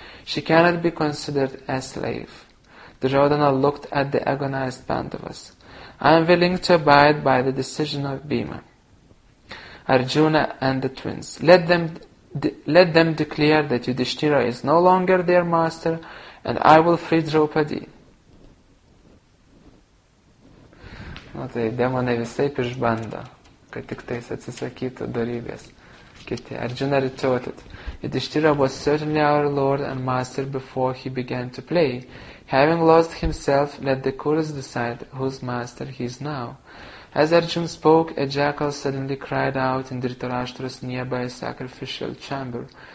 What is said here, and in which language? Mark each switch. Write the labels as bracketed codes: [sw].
[en] She cannot be considered a slave. Duryodhana looked at the agonized Pandavas. I am willing to abide by the decision of Bhima, Arjuna and the twins. Let them declare that Yudhishthira is no longer their master, and I will free Draupadi. [lt] Na tai demonai visai išbando, kad tik tais atsisakytų darybės. [en] Kiti, Arjuna retorted, Yudhishthira was certainly our lord and master before he began to play. Having lost himself, let the Kuras decide whose master he is now. As Arjuna spoke, a jackal suddenly cried out in Dhritarashtra's nearby sacrificial chamber.